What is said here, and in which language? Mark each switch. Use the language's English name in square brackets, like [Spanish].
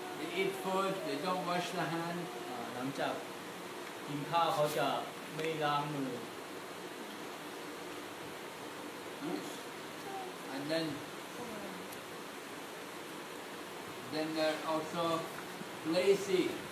[English] They eat food, they don't wash the hand [Thai] หลังจากกินข้าวเขาจะไม่ล้างมือ [English] And then they're also lazy